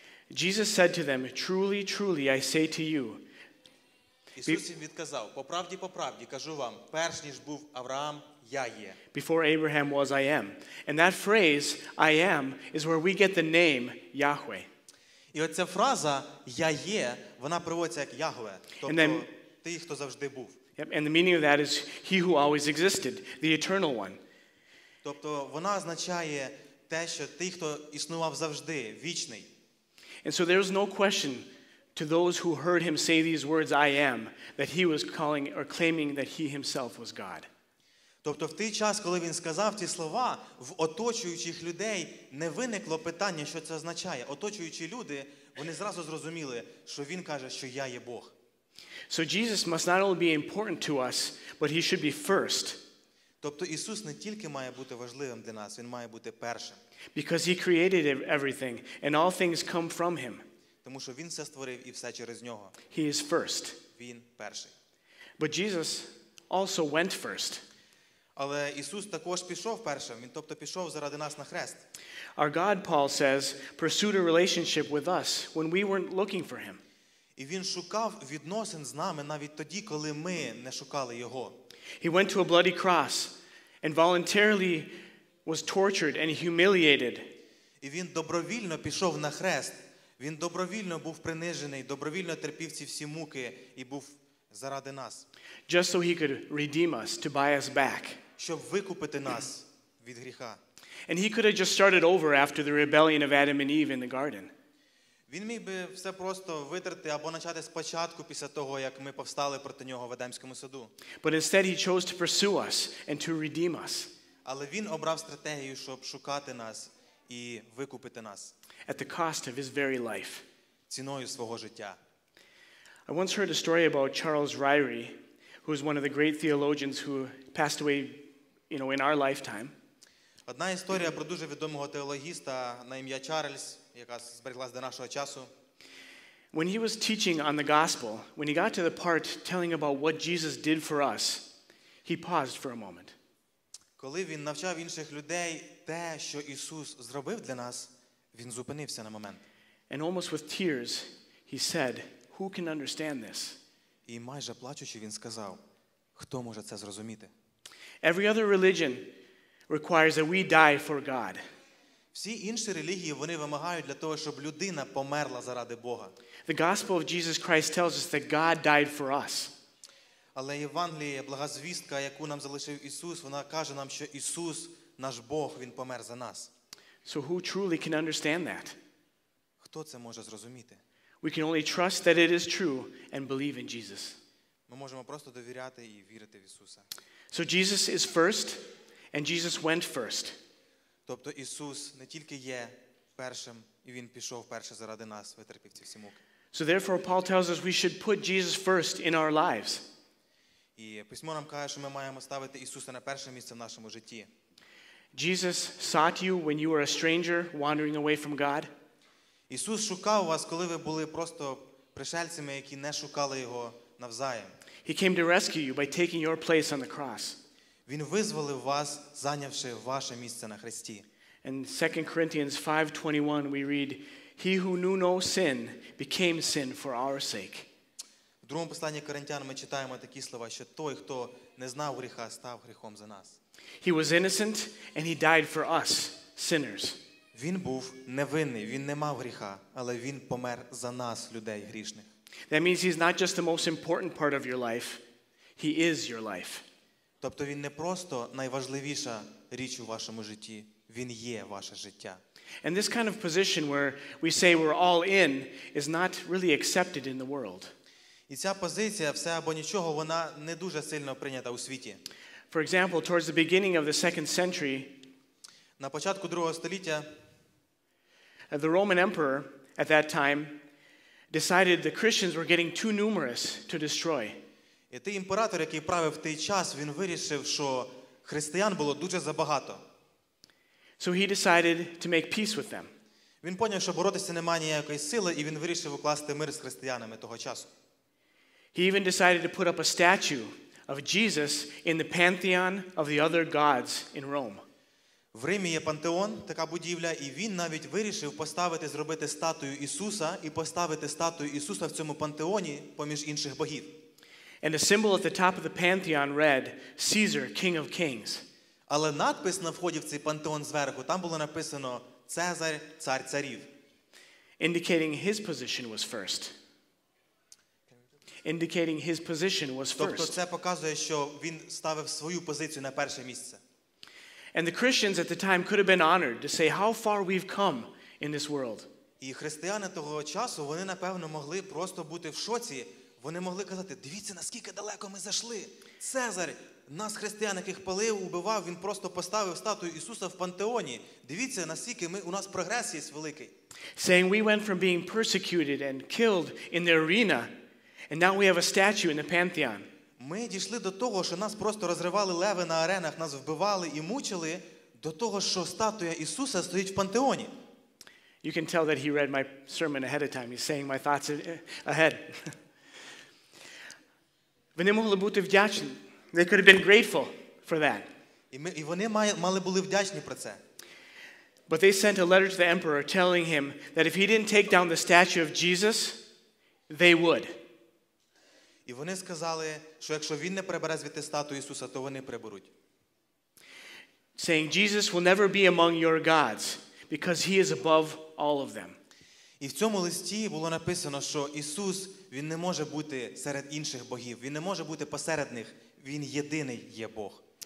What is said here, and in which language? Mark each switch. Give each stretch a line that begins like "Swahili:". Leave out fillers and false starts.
English: Jesus said to them, "Truly, truly, I say to you."
Ukrainian: Ісус їм відказав: "По правді, кажу вам, перш ніж був Авраам, я є."
English: Before Abraham was I am. And that phrase I am is where we get the name Yahweh.
Ukrainian: І оця фраза я є, вона переводиться як Яхве, тобто той, хто завжди був.
English: Yep, and the meaning of that is he who always existed, the eternal one.
Ukrainian: Тобто вона означає те, що той, хто існував завжди, вічний.
English: And so there is no question to those who heard him say these words I am that he was calling or claiming that he himself was God.
Ukrainian: Тобто в той час, коли він сказав ці слова, в оточуючих людей не виникло питання, що це означає. Оточуючі люди, вони зразу зрозуміли, що він каже, що я є Бог.
English: So Jesus must not only be important to us, but he should be first.
Ukrainian: Тобто Ісус не тільки має бути важливим для нас, він має бути першим.
English: Because he created everything and all things come from him.
Ukrainian: Тому що він все створив і все через нього.
English: He is first.
Ukrainian: Він перший.
English: But Jesus also went first.
Ukrainian: Але Ісус також пішов першим, він тобто пішов заради нас на хрест.
English: Our God, Paul says, pursued a relationship with us when we weren't looking for him.
Ukrainian: І він шукав відносин з нами навіть тоді, коли ми не шукали його.
English: He went to a bloody cross and voluntarily was tortured and humiliated.
Ukrainian: І він добровільно пішов на хрест. Він добровільно був принижений, добровільно терпів ці всі муки і був заради нас.
English: Just so he could redeem us, to buy us back.
Ukrainian: Щоб викупити нас від гріха.
English: And he could have just started over after the rebellion of Adam and Eve in the garden.
Ukrainian: Він міг би все просто витерти або почати спочатку після того, як ми повстали проти нього в Едемському саду.
English: But instead he chose to pursue us and to redeem us.
Ukrainian: Але він обрав стратегію, щоб шукати нас і викупити нас.
English: At the cost of his very life.
Ukrainian: Ціною свого життя.
English: I once heard a story about Charles Ryrie, who is one of the great theologians who passed away, you know, in our lifetime.
Ukrainian: Одна історія про дуже відомого теологіста на ім'я Чарльз, яка збереглась до нашого часу.
English: When he was teaching on the gospel, when he got to the part telling about what Jesus did for us, he paused for a moment.
Ukrainian: Коли він навчав інших людей те, що Ісус зробив для нас, він зупинився на момент.
English: And almost with tears, he said, "Who can understand this?"
Ukrainian: І майже плачучи він сказав, "Хто може це зрозуміти?"
English: Every other religion requires that we die for God.
Ukrainian: Всі інші релігії, вони вимагають для того, щоб людина померла заради Бога.
English: The gospel of Jesus Christ tells us that God died for us.
Ukrainian: Але Євангеліє, блага звістка, яку нам залишив Ісус, вона каже нам, що Ісус, наш Бог, він помер за нас.
English: So who truly can understand that?
Ukrainian: Хто це може зрозуміти?
English: We can only trust that it is true and believe in Jesus.
Ukrainian: Ми можемо просто довіряти і вірити в Ісуса.
English: So Jesus is first and Jesus went first.
Ukrainian: Тобто Ісус не тільки є першим, і Він пішов перше заради нас, витерпів ці всі муки.
English: So therefore Paul tells us we should put Jesus first in our lives.
Ukrainian: І письмо нам каже, що ми маємо ставити Ісуса на перше місце в нашому житті.
English: Jesus sought you when you were a stranger wandering away from God.
Ukrainian: Ісус шукав вас, коли ви були просто пришельцями, які не шукали Його навзаєм.
English: He came to rescue you by taking your place on the cross.
Ukrainian: Він визволив вас, зайнявши ваше місце на хресті.
English: In 2 Corinthians 5:21 we read, "He who knew no sin became sin for our sake."
Ukrainian: В другому посланні Коринтян ми читаємо такі слова, що той, хто не знав гріха, став гріхом за нас.
English: He was innocent and he died for us sinners.
Ukrainian: Він був невинний, він не мав гріха, але він помер за нас, людей грішних.
English: That means he's not just the most important part of your life, he is your life.
Ukrainian: Тобто він не просто найважливіша річ у вашому житті, він є ваше життя.
English: And this kind of position where we say we're all in is not really accepted in the world.
Ukrainian: І ця позиція все або нічого, вона не дуже сильно прийнята у світі.
English: For example, towards the beginning of the second century,
Ukrainian: на початку другого століття,
English: the Roman emperor at that time decided the Christians were getting too numerous to destroy.
Ukrainian: І той імператор, який правив в той час, він вирішив, що християн було дуже забагато.
English: So he decided to make peace with them.
Ukrainian: Він поняв, що боротися немає ніякої сили, і він вирішив укласти мир з християнами того часу.
English: He even decided to put up a statue of Jesus in the pantheon of the other gods in Rome.
Ukrainian: В Римі є пантеон, така будівля, і він навіть вирішив поставити, зробити статую Ісуса і поставити статую Ісуса в цьому пантеоні поміж інших богів.
English: And a symbol at the top of the pantheon read, "Caesar, King of Kings."
Ukrainian: Але надпис на вході в цей пантеон зверху, там було написано «Цезар, цар царів».
English: Indicating his position was first. Indicating his position was first.
Ukrainian: Тобто це показує, що він ставив свою позицію на перше місце.
English: And the Christians at the time could have been honored to say how far we've come in this world.
Ukrainian: І християни того часу, вони, напевно, могли просто бути в шоці. Вони могли казати, дивіться, наскільки далеко ми зайшли. Цезар, нас християн, яких палив, убивав, він просто поставив статую Ісуса в пантеоні. Дивіться, наскільки ми, у нас прогрес є великий.
English: Saying we went from being persecuted and killed in the arena, and now we have a statue in the pantheon.
Ukrainian: Ми дійшли до того, що нас просто розривали леви на аренах, нас вбивали і мучили, до того, що статуя Ісуса стоїть в пантеоні.
English: You can tell that he read my sermon ahead of time. He's saying my thoughts ahead.
Ukrainian: Вони могли бути вдячні.
English: They could have been grateful for that.
Ukrainian: І вони мали були вдячні про це.
English: But they sent a letter to the emperor telling him that if he didn't take down the statue of Jesus, they would.
Ukrainian: І вони сказали, що якщо він не прибере звідти статую Ісуса, то вони приберуть.
English: Saying Jesus will never be among your gods because he is above all of them.
Ukrainian: І в цьому листі було написано, що Ісус, він не може бути серед інших богів, він не може бути посеред них, він єдиний є Бог.